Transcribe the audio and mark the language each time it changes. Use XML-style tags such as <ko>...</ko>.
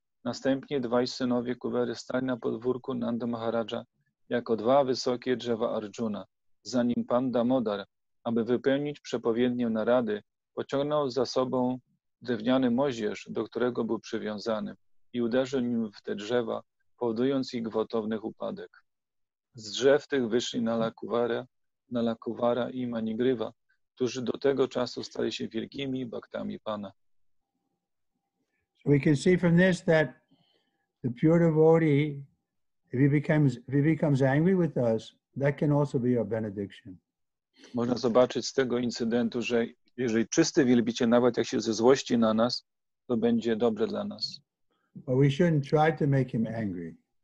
<pl>Następnie dwaj synowie Kuwery stali na podwórku Nanda Maharaja jako dwa wysokie drzewa Arjuna, zanim Pan Damodar, aby wypełnić przepowiednię Narady, pociągnął za sobą drewniany moździerz, do którego był przywiązany, i uderzył nim w te drzewa, powodując ich gwałtowny upadek. Z drzew tych wyszli Nala Kuvara i Manigriva, którzy do tego czasu stali się wielkimi bhaktami Pana.</pl> <en>So we can see from this that the pure devotee, if he becomes angry with us, that can also be our benediction.</en> <pl>Można zobaczyć z tego incydentu, że jeżeli czysty wielbiciel, nawet jak się zezłości na nas, to będzie dobre dla nas.</pl> <en>But we shouldn't try to make him angry.</en>